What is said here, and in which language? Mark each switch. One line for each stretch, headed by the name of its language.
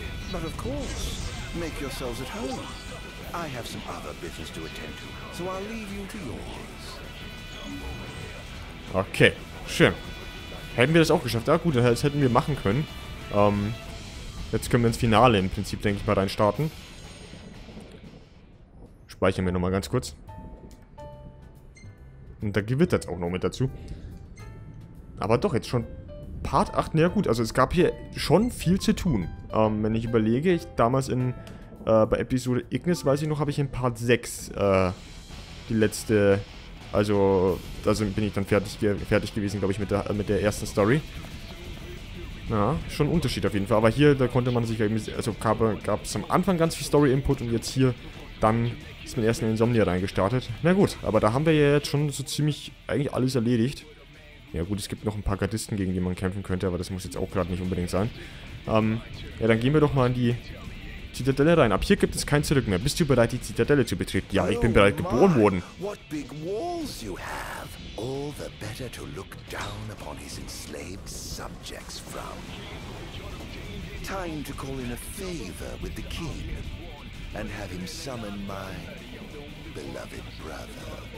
English: But of course, make yourselves at home. I have some other business to attend to, so I'll leave you to yours.
German: Okay, schön. Hätten wir das auch geschafft? Ja gut, das hätten wir machen können. Jetzt können wir ins Finale im Prinzip, denke ich mal, rein starten. Speichern wir nochmal ganz kurz. Und da gewittert es auch noch mit dazu. Aber doch, jetzt schon Part 8. Na ja, gut, also es gab hier schon viel zu tun. Wenn ich überlege, ich damals in bei Episode Ignis, weiß ich noch, habe ich in Part 6 die letzte... Also bin ich dann fertig gewesen, glaube ich, mit der ersten Story. Ja, schon ein Unterschied auf jeden Fall. Aber hier, da konnte man sich eben... Also gab es am Anfang ganz viel Story-Input und jetzt hier dann ist man erst in Insomnia reingestartet. Na gut, aber da haben wir ja jetzt schon so ziemlich eigentlich alles erledigt. Ja gut, es gibt noch ein paar Gardisten, gegen die man kämpfen könnte, aber das muss jetzt auch gerade nicht unbedingt sein. Ja, dann gehen wir doch mal in die Zitadelle rein. Ab hier gibt es kein Zurück mehr. Bist du bereit, die Zitadelle zu betreten? Ja, ich bin bereit, geboren worden.
English: What big walls you have. All the better to look down upon his enslaved subjects from. Time to call in a favor with the king and have him summon my beloved brother.